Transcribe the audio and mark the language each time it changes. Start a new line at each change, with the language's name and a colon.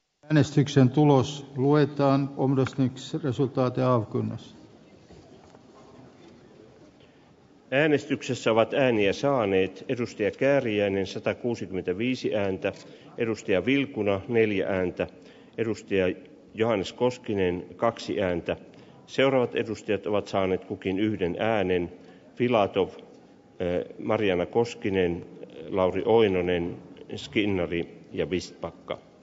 Finnish: Äänestyksen tulos luetaan.
Swedish: Omröstningsresultat avkunnas.
Finnish: Äänestyksessä ovat ääniä saaneet edustaja Kääriäinen 165 ääntä, edustaja Vilkuna 4 ääntä, edustaja Johannes Koskinen 2 ääntä. Seuraavat edustajat ovat saaneet kukin yhden äänen: Filatov, Marjaana Koskinen, Lauri Oinonen, Skinnari ja Vistbacka.